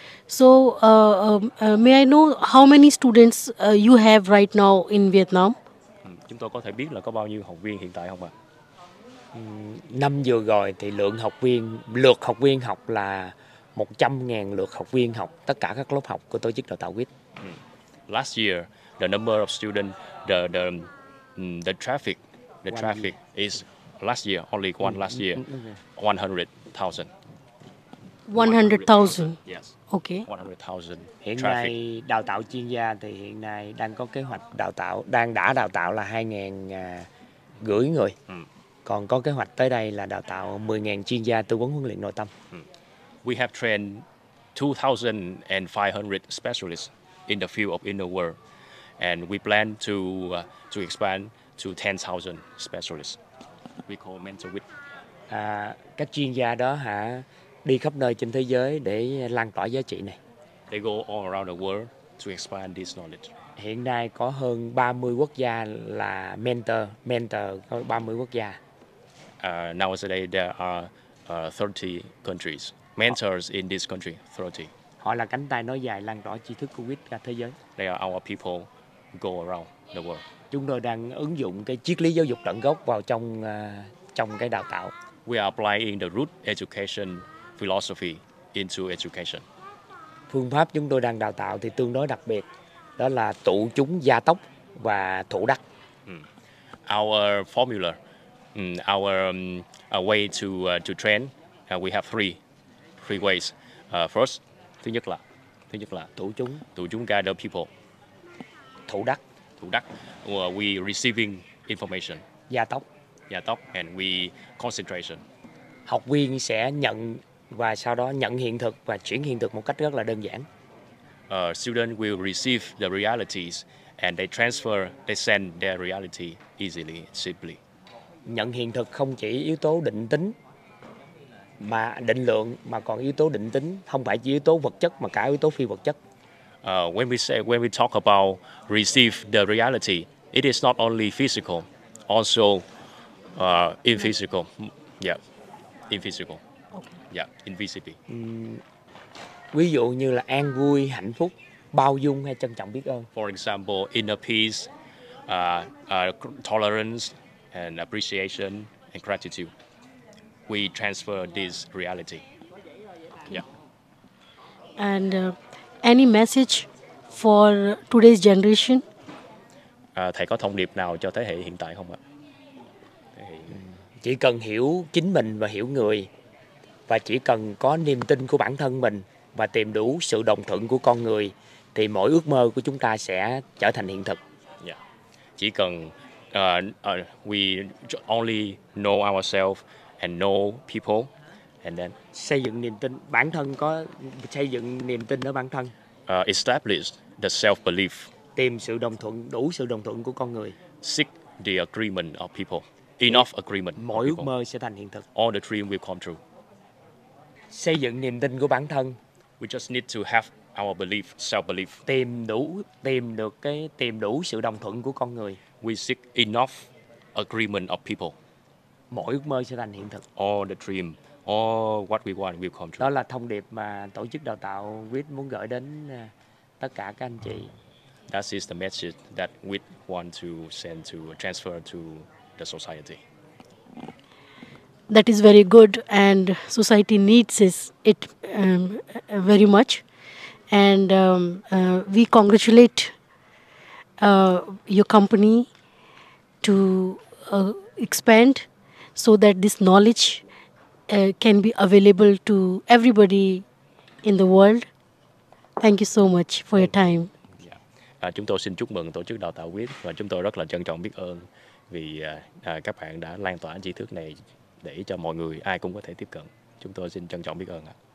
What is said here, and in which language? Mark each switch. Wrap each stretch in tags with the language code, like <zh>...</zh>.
<en>So, may I know how many students you have right now in Vietnam?</en> <vi>Chúng tôi có thể biết là có bao nhiêu học viên hiện tại không ạ? Năm vừa rồi thì lượt học viên học là 100.000 lượt học viên học tất cả các lớp học của tổ chức đào tạo WIT.</vi> <en>Last year, the number of students, the traffic is last year, only one last year, 100,000. 100,000? Yes. Okay. 100,000 traffic.</en> <vi>Hiện nay, đào tạo chuyên gia thì hiện nay đang có kế hoạch đào tạo, đã đào tạo là 2.500 người. Còn có kế hoạch tới đây là đào tạo 10.000 chuyên gia tư vấn huấn luyện nội tâm.</vi> <en>We have trained 2,500 specialists in the field of inner world, and we plan to expand to 10,000 specialists. We call mentor with.</en> <vi>Các chuyên gia đó hả, đi khắp nơi trên thế giới để lan tỏa giá trị này.</vi> <en>They go all around the world to expand this knowledge.</en> <vi>Hiện nay có hơn 30 quốc gia là mentor có 30 quốc gia.</vi> <en>Nowadays there are 30 countries. Mentors in this country, 30.</en> <vi>Họ là cánh tay nói dài lan tỏa tri thức của WIT ra thế giới.</vi> <en>They are our people go around the world.</en> <vi>Chúng tôi đang ứng dụng cái triết lý giáo dục tận gốc vào trong trong cái đào tạo.</vi> <en>We are applying the root education philosophy into education.</en> <vi>Phương pháp chúng tôi đang đào tạo thì tương đối đặc biệt, đó là tụ chúng gia tốc và thủ đắc.</vi> <en>Our formula, our way to train, we have three ways. First,</en> <vi>thứ nhất là tụ chúng</vi> <en>gather people.</en> <vi>Thủ đắc.</vi> <en>We receiving information.</en> <vi>Gia tốc</vi> <en>and we concentration.</en> <vi>Học viên sẽ nhận và sau đó nhận hiện thực và chuyển hiện thực một cách rất là đơn giản.</vi> <en>Student will receive the realities and they send their reality easily, simply.</en> <vi>Nhận hiện thực không chỉ yếu tố định tính mà định lượng mà còn yếu tố định tính, không phải chỉ yếu tố vật chất mà cả yếu tố phi vật chất.</vi> <en>When we talk about receive the reality, it is not only physical, also invisible. Yeah. Invisible. Yeah, invisible.</en> <vi>Ví dụ như là an vui, hạnh phúc, bao dung hay trân trọng biết ơn.</vi> <en>For example, inner peace, tolerance and appreciation and gratitude. we transfer this reality. And any message for today's generation?</en> <vi>Thầy có thông điệp nào cho thế hệ hiện tại không ạ? Chỉ cần hiểu chính mình và hiểu người, và chỉ cần có niềm tin của bản thân mình và tìm đủ sự đồng thuận của con người, thì mọi ước mơ của chúng ta sẽ trở thành hiện thực.</vi> <en>Yeah.</en> <vi>Chỉ cần</vi> <en>we only know ourselves and know people, and then</en> <vi>xây dựng niềm tin bản thân, có xây dựng niềm tin ở bản thân,</vi> <en>establish the self belief,</en> <vi>tìm sự đồng thuận, đủ sự đồng thuận của con người,</vi> <en>seek the agreement of people, enough agreement,</en> <vi>mọi ước mơ sẽ thành hiện thực,</vi> <en>all the dream will come true,</en> <vi>xây dựng niềm tin của bản thân,</vi> <en>we just need to have our belief, self belief,</en> <vi>tìm đủ sự đồng thuận của con người,</vi> <en>we seek enough agreement of people,</en> <vi>mọi ước mơ sẽ thành hiện thực,</vi> <en>all the dream, all what we want will come true. Đó là thông điệp mà tổ chức đào tạo WIT muốn gửi đến tất cả các anh chị. That is the message that WIT want to send to transfer to the society. That is very good, and society needs it very much. And we congratulate your company to expand so that this knowledge can be available to everybody in the world. Thank you so much for your time. Yeah.</en> <vi>Chúng tôi xin chúc mừng tổ chức đào tạo WIT, và chúng tôi rất là trân trọng biết ơn vì các bạn đã lan tỏa tri thức này để cho mọi người ai cũng có thể tiếp cận. Chúng tôi xin trân trọng biết ơn ạ.</vi>